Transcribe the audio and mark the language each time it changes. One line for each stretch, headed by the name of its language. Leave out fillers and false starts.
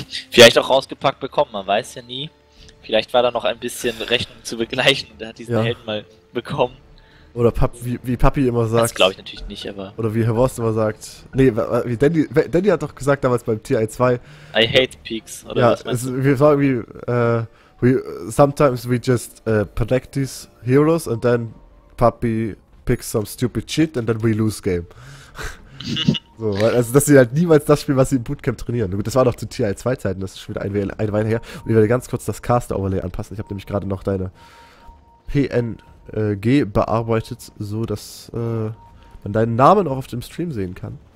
German: Vielleicht auch rausgepackt bekommen, man weiß ja nie. Vielleicht war da noch ein bisschen Rechnung zu begleichen und er hat diesen Helden mal bekommen. Oder wie Papi immer sagt. Das glaube ich natürlich nicht, aber. Oder wie Herr Wurst immer sagt. Nee, wie Danny hat doch gesagt damals beim TI 2.
English: I hate peaks, oder
German: ja, was meinst du? Wir sagen wie.
English: Sometimes we just protect these heroes and then Papi picks some stupid shit and then we lose game.
German: So, also das ist halt niemals das Spiel, was sie im Bootcamp trainieren. Gut, das war doch zu TI 2 Zeiten, das ist schon wieder eine Weile her. Und ich werde ganz kurz das Caster-Overlay anpassen. Ich habe nämlich gerade noch deine PNG bearbeitet, so dass man deinen Namen auch auf dem Stream sehen kann.